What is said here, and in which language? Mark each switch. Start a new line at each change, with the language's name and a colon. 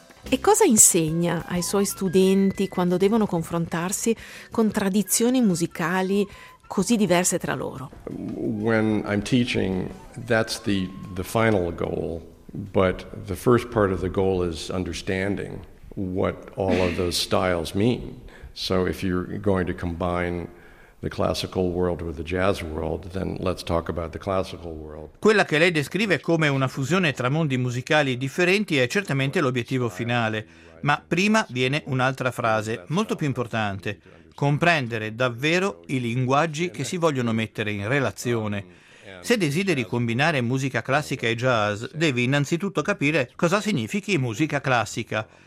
Italian: E cosa insegna ai suoi studenti quando devono confrontarsi con tradizioni musicali così diverse tra loro?
English: When I'm teaching, that's the final goal, but the first part of the goal is understanding what all of those styles mean. So if you're going to combine the classical world with the jazz world, then let's talk about the classical world.
Italian: Quella che lei descrive come una fusione tra mondi musicali differenti è certamente l'obiettivo finale, ma prima viene un'altra frase molto più importante: comprendere davvero i linguaggi che si vogliono mettere in relazione. Se desideri combinare musica classica e jazz, devi innanzitutto capire cosa significhi musica classica.